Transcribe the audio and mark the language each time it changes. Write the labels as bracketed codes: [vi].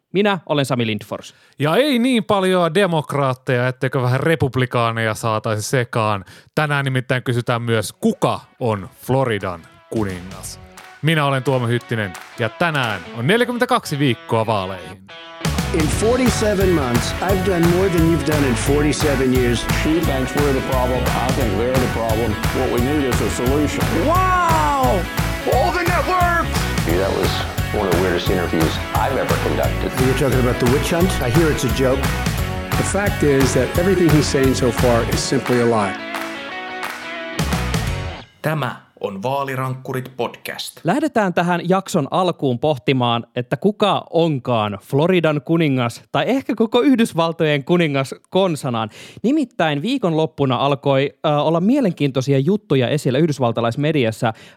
[fi] Minä olen Sami Lindfors. Ja ei niin paljon demokraatteja, etteikö vähän republikaaneja saataisi sekaan. Tänään nimittäin kysytään myös, kuka on Floridan kuningas. Minä olen Tuomo Hyttinen, ja tänään on 42 viikkoa vaaleihin. [en] In 47 months, I've done more than you've done in 47 years. She thinks we're the problem. I think they're the problem. What we need is a solution. Wow! All the networks! Gee, that was one of the weirdest interviews I've ever conducted. Are you talking about the witch hunt? I hear it's a joke. The fact is that everything he's saying so far is simply a lie. [fi] Tämä on Vaalirankkurit podcast. Lähdetään tähän jakson alkuun pohtimaan, että kuka onkaan Floridan kuningas tai ehkä koko Yhdysvaltojen kuningas konsanaan. Nimittäin viikonloppuna alkoi olla mielenkiintoisia juttuja esillä yhdysvaltalaismediassa.